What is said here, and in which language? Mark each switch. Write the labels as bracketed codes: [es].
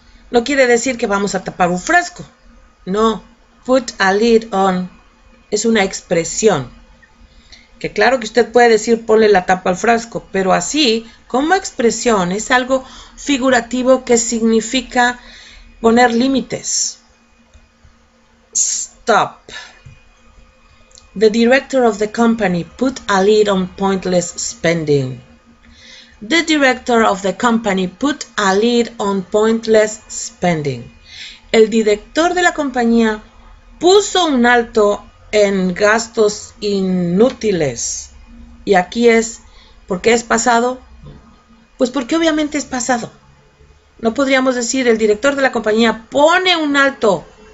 [es] No quiere decir que vamos a tapar un frasco. No. Put a lid on es una expresión. Que claro que usted puede decir ponle la tapa al frasco, pero así, como expresión, es algo figurativo que significa poner límites. [en] Stop. The director of the company put a lid on pointless spending. The director of the company put a lid on pointless spending. [es] El director de la compañía puso un alto en gastos inútiles. Y aquí es, ¿por qué es pasado? Pues porque obviamente es pasado. No podríamos decir, el director de la compañía pone un alto.